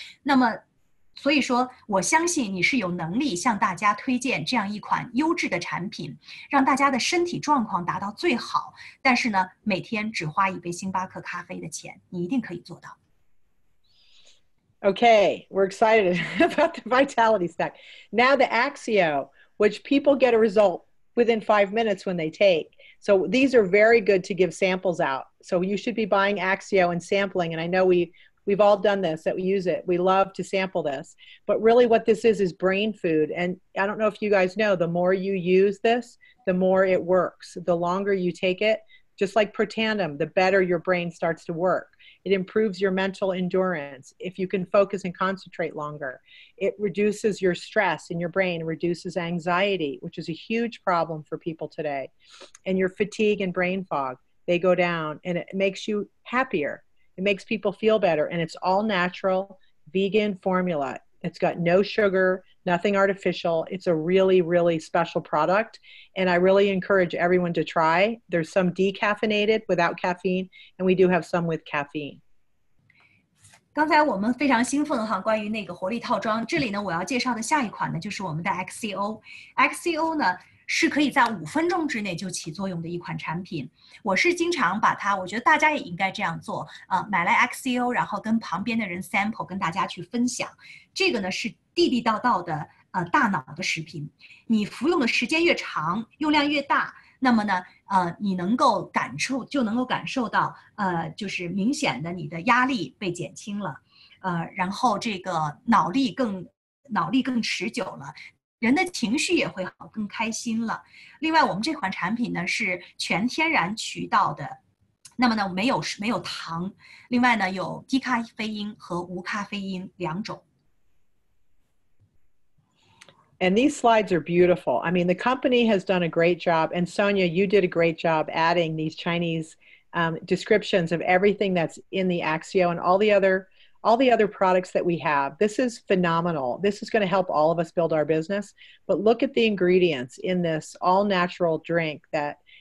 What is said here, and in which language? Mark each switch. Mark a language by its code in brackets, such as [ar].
[zh] 那么，所以说，我相信你是有能力向大家推荐这样一款优质的产品，让大家的身体状况达到最好。但是呢，每天只花一杯星巴克咖啡的钱，你一定可以做到。 [en] Okay, we're excited about the vitality stack. Now the Axio, which people get a result within 5 minutes when they take. So these are very good to give samples out. So you should be buying Axio and sampling. And I know we've all done this, that we use it. We love to sample this. But really what this is brain food. And I don't know if you guys know, the more you use this, the more it works. The longer you take it, just like Protandim, the better your brain starts to work. It improves your mental endurance. If you can focus and concentrate longer, it reduces your stress in your brain, reduces anxiety, which is a huge problem for people today. And your fatigue and brain fog, they go down, and it makes you happier. It makes people feel better. And it's all natural, vegan formula. It's got no sugar, nothing artificial. It's a really, really special product. And I really encourage everyone to try. There's some decaffeinated without caffeine, and we do have some with caffeine. [zh] 刚才我们非常兴奋哈，关于那个活力套装。这里呢，我要介绍的下一款呢，就是我们的 XCO。 XCO 呢，是可以在5分钟之内就起作用的一款产品。我是经常把它，我觉得大家也应该这样做，买来 XCO， 然后跟旁边的人 sample， 跟大家去分享。这个呢是地地道道的大脑的食品，你服用的时间越长，用量越大，那么呢你能够感受，就能够感受到就是明显的你的压力被减轻了，然后这个脑力更持久了，人的情绪也会好，更开心了。另外我们这款产品呢是全天然渠道的，那么呢没有糖，另外呢有低咖啡因和无咖啡因两种。 [en] And these slides are beautiful. I mean, the company has done a great job. And Sonia, you did a great job adding these Chinese descriptions of everything that's in the Axio and all the other products that we have. This is phenomenal. This is going to help all of us build our business. But look at the ingredients in this all natural drink that